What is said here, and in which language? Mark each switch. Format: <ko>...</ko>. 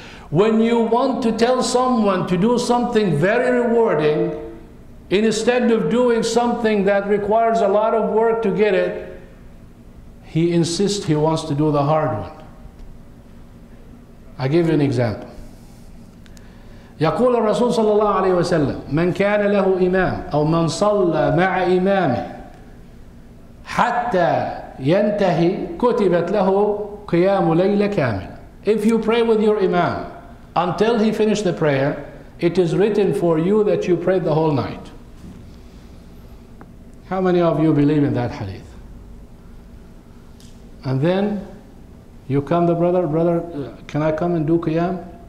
<en>When you want to tell someone to do something very rewarding, instead of doing something that requires a lot of work to get it, he insists he wants to do the hard one. I give you an example.</en> <ar>يقول الرسول صلى الله عليه وسلم من كان له إمام أو من صلى مع إمامه حتى ينتهي كتبت له قيام ليلة كاملة.</ar> <en>If you pray with your imam until he finished the prayer, it is written for you that you prayed the whole night. How many of you believe in that hadith? And then you come, the brother, can I come and do qiyam?</en>